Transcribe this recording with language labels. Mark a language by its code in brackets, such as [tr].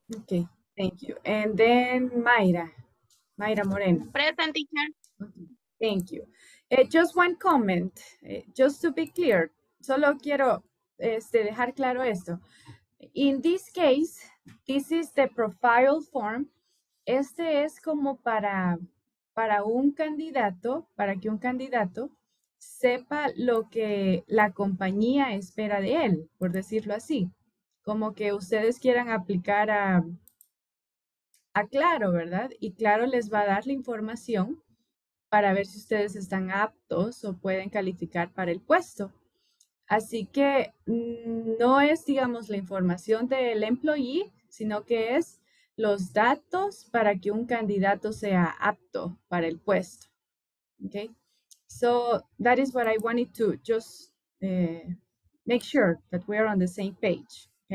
[en] Okay, thank you. And then Mayra Moreno. Present, teacher. Okay, thank you. Just one comment, just to be clear. [es] Solo quiero dejar claro esto. In this case, this is the profile form. Este es como para un candidato, para que un candidato sepa lo que la compañía espera de él, por decirlo así. Como que ustedes quieran aplicar a Claro, ¿verdad? Y Claro les va a dar la información para ver si ustedes están aptos o pueden calificar para el puesto. Así que no es, digamos, la información del employee, sino que es los datos para que un candidato sea apto para el puesto. [en] Okay? So that is what I wanted to just make sure that we are on the same page.